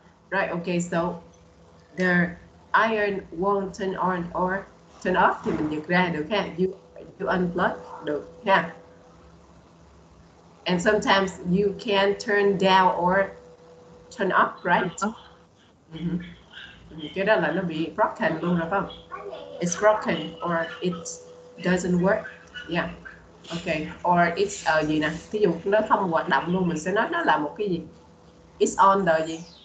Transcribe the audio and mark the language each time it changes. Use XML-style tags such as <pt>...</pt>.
<en>Right, okay, so the iron won't turn on or turn off</en> <vi>thì mình dịch ra được ha,</vi> <en>you unplug được ha. And sometimes you can turn down or turn up, right? Mm-hmm.</en> <vi>Cái đó là nó bị broken luôn rồi không?</vi> <en>It's broken or it doesn't work.</en> <vi>Yeah, okay, or it's gì nè, ví dụ nó không hoạt động luôn, mình sẽ nói nó là một cái gì?</vi> <en>It's on the gì?</en>